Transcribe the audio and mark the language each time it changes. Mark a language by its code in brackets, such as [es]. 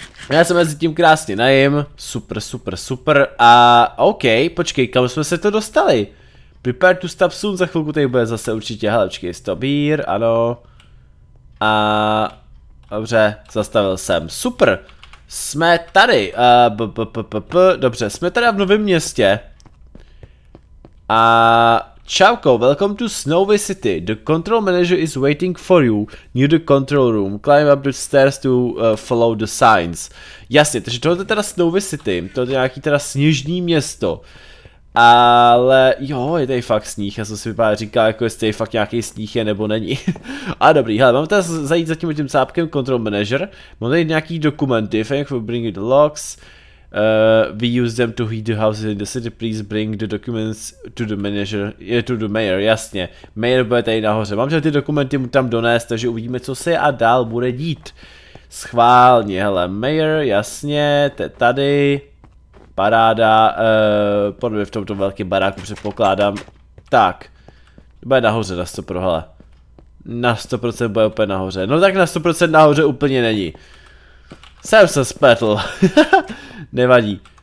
[cs] Já se mezi tím krásně najím, super, super, super, a OK, počkej, kam jsme se to dostali? [en] Prepare to stop soon, [cs] za chvilku tady bude zase určitě, hele, počkej, [en] stop here, [cs] ano. A dobře, zastavil jsem, super, jsme tady, dobře, jsme tady v novém městě. A čauko, [en] welcome to Snowy City, the control manager is waiting for you, near the control room, climb up the stairs to follow the signs. [cs] Jasně, takže tohle je teda Snowy City, to je nějaký teda sněžní město. Ale jo, je tady fakt sníh, já jsem si vypadá říkal, jako jestli tady fakt nějaký sníh je nebo není. A dobrý, hele, mám teda zajít za tím cápkem control manager, mám tady nějaký dokumenty, [en] if I can bring the logs. We use them to heat the houses in the city, please bring the documents to the manager, to the mayor, [cs] jasně. Mayor bude tady nahoře, mám ty dokumenty mu tam donést, takže uvidíme, co se a dál bude dít. Schválně, hele, mayor, jasně, to je tady. Paráda, podobně v tomto velkém baráku předpokládám. Tak, bude nahoře na 100%, hele. Na 100% bude úplně nahoře, no tak na 100% nahoře úplně není. Jsem se spletl. Nevadí.